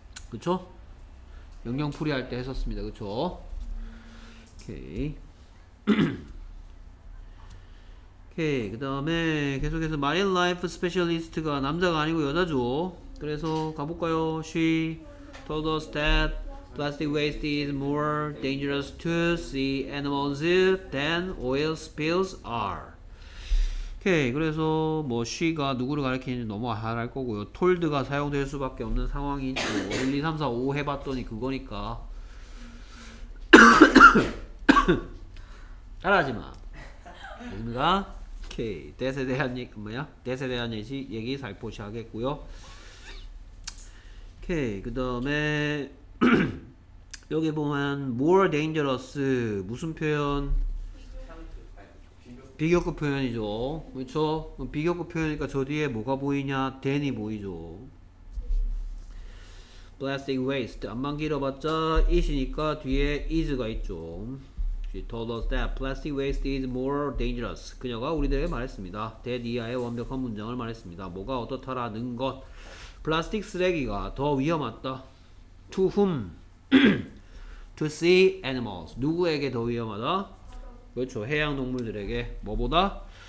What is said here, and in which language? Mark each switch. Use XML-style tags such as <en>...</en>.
<ko>그렇죠? 영영풀이 할 때 했었습니다. 그쵸? 오케이. 오케이. 그 다음에 계속해서 마린 라이프 스페셜리스트가 남자가 아니고 여자죠. 그래서 가볼까요?</ko> <en>She told us that plastic waste is more dangerous to sea animals than oil spills are.</en> <ko>오케이. 그래서 뭐 she가 누구를 가리키는지 너무 잘 알 거고요. told가 사용될 수밖에 없는 상황이 있고 1, 2, 3, 4, 5 해봤더니 그거니까 따라하지 마. 됐습니까? 오케이. that에 대한 얘기 뭐야? that에 대한 얘기 살포시 하겠고요. 오케이. 그 다음에 여기 보면</ko> <en>more dangerous</en> <ko>무슨 표현? 비교급 표현이죠. 그쵸? 그렇죠? 비교급 표현이니까 저 뒤에 뭐가 보이냐? 댄이 보이죠.</ko> <en>plastic waste.</en> <ko>암만 길어봤자 is니까 뒤에 is가 있죠.</ko> <en>She told us that plastic waste is more dangerous.</en> <ko>그녀가 우리들에게 말했습니다. That 이하의 완벽한 문장을 말했습니다. 뭐가 어떻다라는 것. 플라스틱 쓰레기가 더 위험하다.</ko> <en>To whom? To sea animals.</en> <ko>누구에게 더 위험하다? 그렇죠. 해양 동물들에게. 뭐보다?</ko>